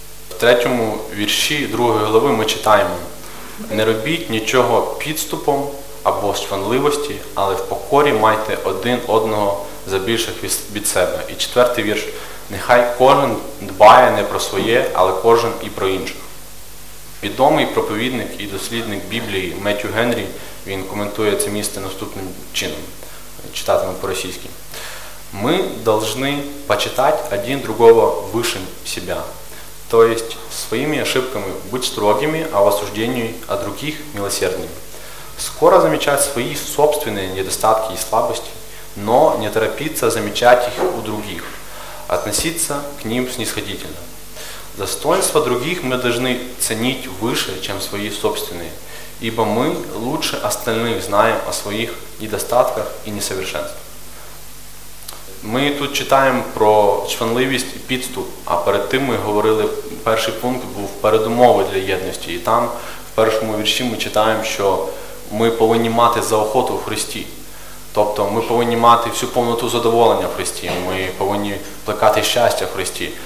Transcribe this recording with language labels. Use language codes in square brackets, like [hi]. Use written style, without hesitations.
[uk] В 3-му вірші 2-ї глави ми читаємо: «Не робіть нічого підступом або чванливості, але в покорі майте один одного за більших від себе». І 4-й вірш: «Нехай кожен дбає не про своє, але кожен і про інших». Відомий проповідник і дослідник Біблії Меттью Генрі, він коментує це місце наступним чином, читатиме по-російськи. [ru] «Ми должны почитать один другого выше себя, то есть своими ошибками быть строгими, а в осуждении от других милосердными. Скоро замечать свои собственные недостатки и слабости, но не торопиться замечать их у других, относиться к ним снисходительно. Достоинства других мы должны ценить выше, чем свои собственные, ибо мы лучше остальных знаем о своих недостатках и несовершенствах». [uk] Ми тут читаємо про чванливість і підступ, а перед тим ми говорили, перший пункт був передумови для єдності. І там в першому вірші ми читаємо, що ми повинні мати заохоту в Христі. Тобто ми повинні мати всю повноту задоволення в Христі, ми повинні плекати щастя в Христі.